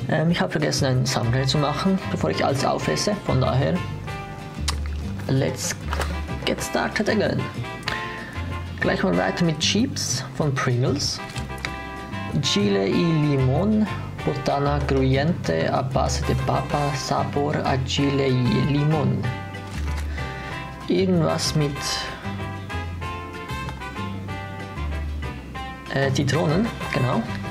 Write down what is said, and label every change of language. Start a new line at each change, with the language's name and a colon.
German: Ich habe vergessen, ein Thumbnail zu machen, bevor ich alles aufesse. Von daher,
English: let's get started again.
German: Gleich mal weiter mit Chips von Pringles.
Spanish: Chile y Limon, Botana Gruyente a base de Papa, Sabor a Chile y Limon.
German: Irgendwas mit Zitronen, genau.